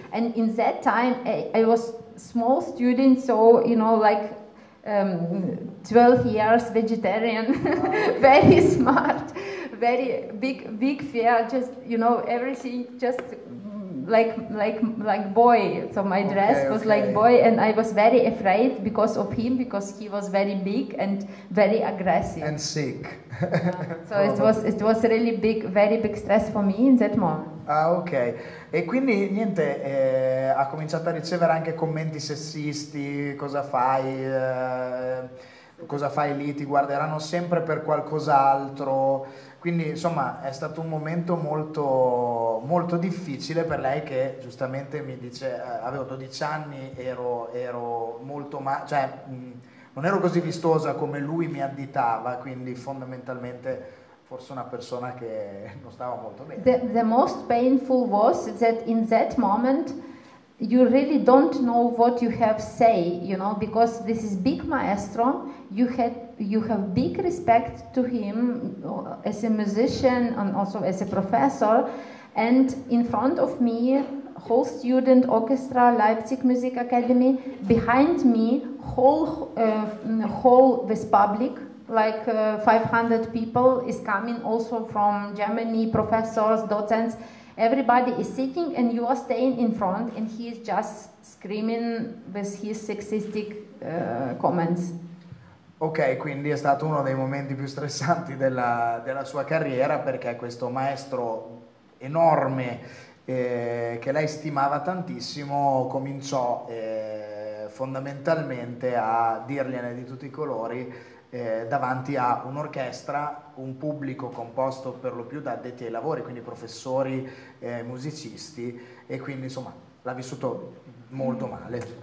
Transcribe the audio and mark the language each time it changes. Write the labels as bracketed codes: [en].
[en] And in that time I was small student, so you know, like 12 years vegetarian, very smart, very big fear, just you know, everything just like boy, so my dress was like boy and I was very afraid because of him, because he was very big and very aggressive and sick. So it was really big, very big stress for me in that moment. Ah, ok. [it] E quindi niente, ha cominciato a ricevere anche commenti sessisti, cosa fai lì, ti guarderanno sempre per qualcos'altro. Quindi insomma è stato un momento molto, molto difficile per lei, che giustamente mi dice avevo 12 anni, ero molto non ero così vistosa come lui mi additava, quindi fondamentalmente forse una persona che non stava molto bene. [en] The most painful was that in that moment you really don't know what you have say, you know, because this is big maestro, you have big respect to him as a musician and also as a professor, and in front of me whole student orchestra Leipzig Music Academy, behind me whole with public like 500 people is coming also from Germany, professors, docents. Everybody is sitting and you are staying in front and he is just screaming with his sexistic comments. [it] Ok, quindi è stato uno dei momenti più stressanti della sua carriera, perché questo maestro enorme che lei stimava tantissimo cominciò fondamentalmente a dirgliene di tutti i colori davanti a un'orchestra, un pubblico composto per lo più da addetti ai lavori, quindi professori, musicisti, e quindi insomma l'ha vissuto molto male.